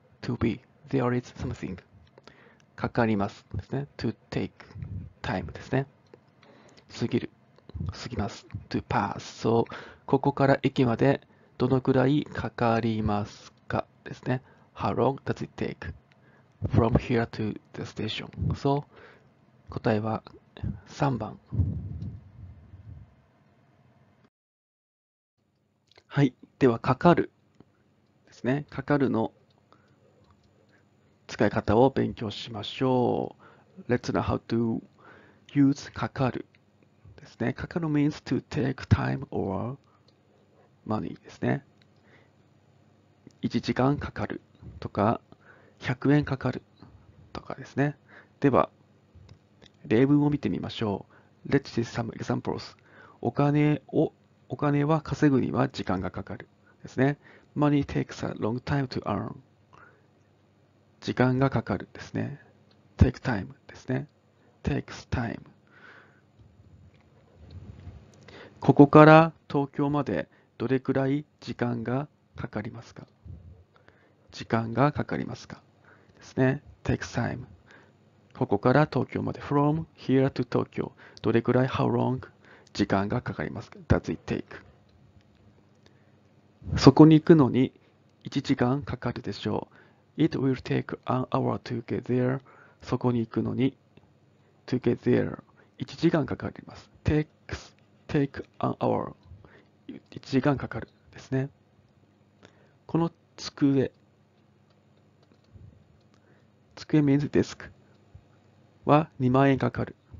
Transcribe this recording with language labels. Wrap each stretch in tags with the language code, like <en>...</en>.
<en>to be, there is something。</en> <ja>かかりますですね。</ja> <en>to take time ですね。</en> <ja>過ぎる、過ぎます。</ja> <en>to pass。</en> <ja>So, ここから駅までどのくらいかかりますかですね。</ja> <en>how long does it take? From here to the station.</en> <ja>So, 答えは3番。はい、ではかかるですね。かかるの使い方を勉強しましょう。</ja> <en>Let's learn how to use かかるですね。かかる means to take time or money ですね。</en> <ja>1時間かかるとか100円かかるとかですね。では、例文を見てみましょう。</ja> <en>Let's see some examples.</en> <ja>お金は稼ぐには時間がかかるですね。</ja> <en>Money takes a long time to earn.</en> <ja>時間がかかるですね。</ja> <en>Take time ですね。 Takes time.</en> <ja>ここから東京までどれくらい時間がかかりますか? 時間がかかりますか?ですね。</ja> <en>Take time.</en> <ja>ここから東京まで。</ja> <en>From here to Tokyo.</en> <ja>どれくらい、</ja> <en>how long?</en> <ja>時間がかかりますか。</ja> <en>Does it take?</en> <ja>そこに行くのに1時間かかるでしょう。</ja> <en>It will take an hour to get there.</en> <ja>そこに行くのに、</ja> <en>to get there.</en> <ja>1時間かかります。</ja> <en>Takes take an hour</en> <ja>1時間かかるですね。この机</ja> <en>means desk</en> <ja>は2万円かかる。</ja>